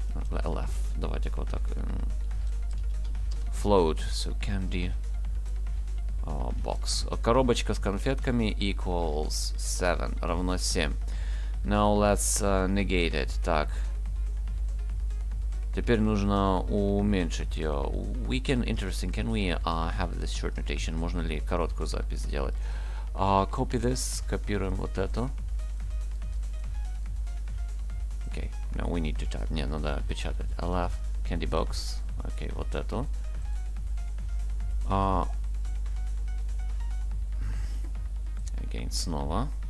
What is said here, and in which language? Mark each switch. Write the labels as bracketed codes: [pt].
[ru] LF. Давайте вот так. Float. [en] So candy box. [ru] Коробочка с конфетками [en] equals 7. [ru] Равно 7. [en] Now let's negate it. [ru] Так. Теперь нужно уменьшить ее. [en] We can, interesting, can we have this short notation? [ru] Можно ли короткую запись сделать? [en] Copy this. [ru] Копируем вот эту. [en] Okay, now we need to type. [ru] Не, надо печатать. [en] LF, candy box. Okay, [ru] вот эту. [en] Again, [ru] снова.